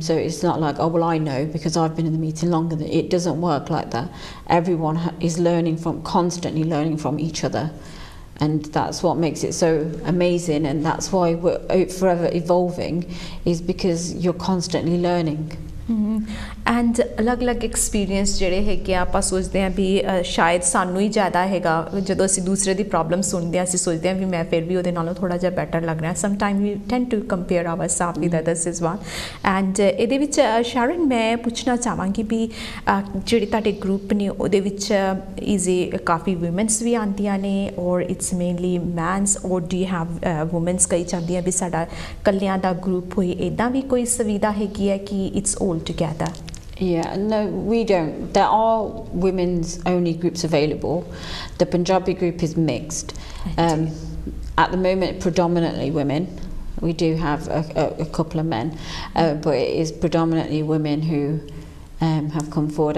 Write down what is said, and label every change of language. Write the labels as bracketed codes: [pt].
[en] So it's not like, oh, well, I know because I've been in the meeting longer. It doesn't work like that. Everyone is learning from, constantly learning from each other. And that's what makes it so amazing, and that's why we're forever evolving, is because you're constantly learning. [pa] And ਅਲੱਗ ਅਲੱਗ experience ਜਿਹੜੇ ਹੈਗੇ ਆ ਆਪਾਂ ਸੋਚਦੇ ਹਾਂ ਵੀ ਸ਼ਾਇਦ ਸਾਨੂੰ ਹੀ ਜ਼ਿਆਦਾ ਹੈਗਾ ਜਦੋਂ ਅਸੀਂ ਦੂਸਰੇ ਦੀ ਪ੍ਰੋਬਲਮ ਸੁਣਦੇ ਹਾਂ ਅਸੀਂ ਸੋਚਦੇ ਹਾਂ ਵੀ ਮੈਂ ਫਿਰ ਵੀ ਉਹਦੇ ਨਾਲੋਂ ਥੋੜ੍ਹਾ ਜਿਹਾ ਬੈਟਰ ਲੱਗ ਰਿਹਾ [en] sometime we tend to compare our self with others is one [pa] and ਇਹਦੇ ਵਿੱਚ ਸ਼ਾਰਨ ਮੈਂ ਪੁੱਛਣਾ ਚਾਹਾਂਗੀ ਵੀ ਜਿਹੜੇ ਤੁਹਾਡੇ ਗਰੁੱਪ ਨੇ ਉਹਦੇ ਵਿੱਚ ਈਜ਼ੀ ਕਾਫੀ ਵੂਮੈਨਸ ਵੀ ਆਉਂਦੀਆਂ ਨੇ [en] or it's mainly mens or do you have womens [pa] ਕਹੀ ਜਾਂਦੀਆਂ ਵੀ ਸਾਡਾ ਇਕੱਲਿਆਂ ਦਾ ਗਰੁੱਪ ਹੋਏ ਇੱਦਾਂ ਵੀ ਕੋਈ ਸੁਵਿਧਾ ਹੈਗੀ ਹੈ ਕਿ [en] It's all together Yeah, no, we don't. There are women's only groups available. The Punjabi group is mixed. At the moment, predominantly women. We do have a couple of men, but it is predominantly women who have come forward.